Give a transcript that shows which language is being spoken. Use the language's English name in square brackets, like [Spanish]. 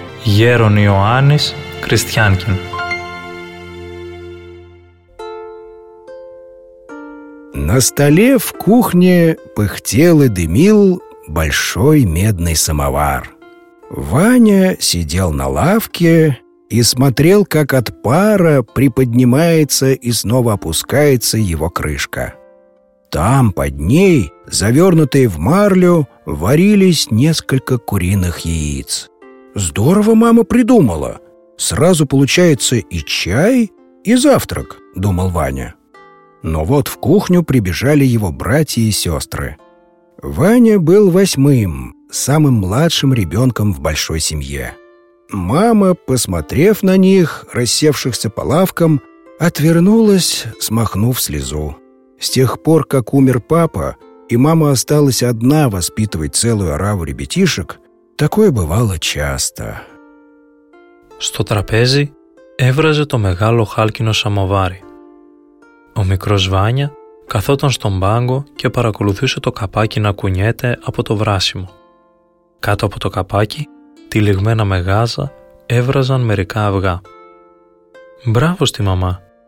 [Greek] Γέρον Ιωάννης Κριστιάνκιν. [Russian] На столе в кухне пыхтел и дымил большой медный самовар. Ваня сидел на лавке и смотрел, как от пара приподнимается и снова опускается его крышка. Там, под ней, завернутые в марлю, варились несколько куриных яиц. «Здорово мама придумала! Сразу получается и чай, и завтрак», — думал Ваня. Но вот в кухню прибежали его братья и сестры. Ваня был восьмым, самым младшим ребенком в большой семье. Мама, посмотрев на них, рассевшихся по лавкам, отвернулась, смахнув слезу. С тех пор, как умер папа, и мама осталась одна воспитывать целую ораву ребятишек, такое бывало часто. [Greek] Στο τραπέζι έβραζε το μεγάλο χάλκινο σαμοβάρι. Ο μικρός Βάνια καθόταν στον πάγκο και παρακολουθούσε το καπάκι να κουνιέται από το βράσιμο. Κάτω από το καπάκι, τυλιγμένα με γάζα, έβραζαν μερικά αυγά. «Μπράβο στη μαμά!